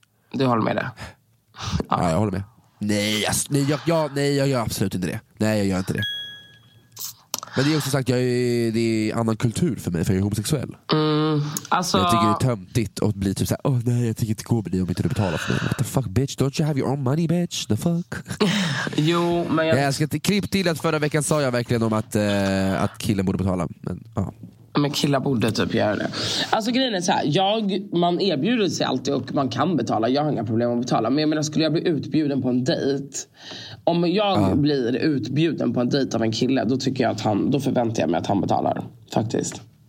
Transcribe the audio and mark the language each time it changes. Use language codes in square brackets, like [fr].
[sv] Du håller med det? Ja, jag håller med. Nej, jag gör absolut inte det. Nej, jag gör inte det. Men det är också sagt, det är annan kultur för mig, för jag är homosexuell. Alltså, jag tycker det är töntigt att bli typ såhär, nej, jag tycker inte gå med dig om inte du betalar för mig. [en] What the fuck, bitch, don't you have your own money, bitch? The fuck. [sv] Jo, men jag ska klipp till att förra veckan sa jag verkligen om att killen borde betala. Men killar borde typ göra det. Alltså grejen är så här, man erbjuder sig alltid och man kan betala. Jag har inga problem att betala. Men jag menar, skulle jag bli utbjuden på en dejt, om jag blir utbjuden på en dejt av en kille, då tycker jag att då förväntar jag mig att han betalar faktiskt.